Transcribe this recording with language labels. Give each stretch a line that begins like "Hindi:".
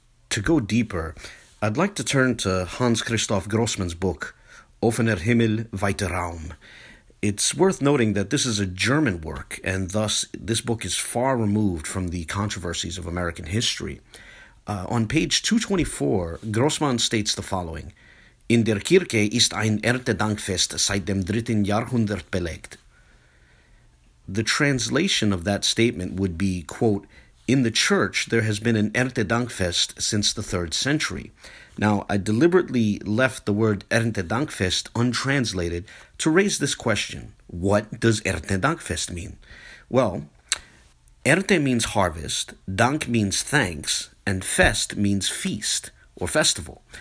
English: To go deeper, I'd like to turn to Hans-Christoph Goßmann's book, Offener, Himmel, Weiter, Raum. It's worth noting that this is a German work, and thus this book is far removed from the controversies of American history. On page 224, Goßmann states the following:
German: In der Kirche ist ein Erntedankfest seit dem dritten Jahrhundert belegt.
English: The translation of that statement would be, quote, In the church there has been an Erntedankfest since the 3rd century. Now, I deliberately left the word Erntedankfest untranslated to raise this question. What does Erntedankfest mean? Well, Ernte means harvest, Dank means thanks, and Fest means feast or festival.